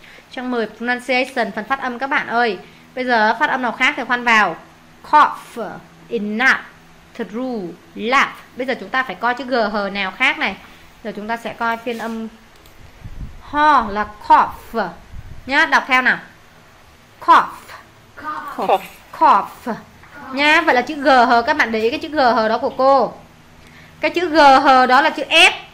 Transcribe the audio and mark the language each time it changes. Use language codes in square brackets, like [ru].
[vi] Trang 10 pronunciation, phần phát âm các bạn ơi. Bây giờ phát âm nào khác thì khoan vào. [en] Cough, enough, through, laugh. [vi] Bây giờ chúng ta phải coi chữ GH nào khác này. Giờ chúng ta sẽ coi phiên âm ho là cough nhá, đọc theo nào. [en] Cough. Cough. Cough. [vi] Nha, vậy là chữ GH, các bạn để ý cái chữ GH đó của cô. Cái chữ GH đó là chữ F.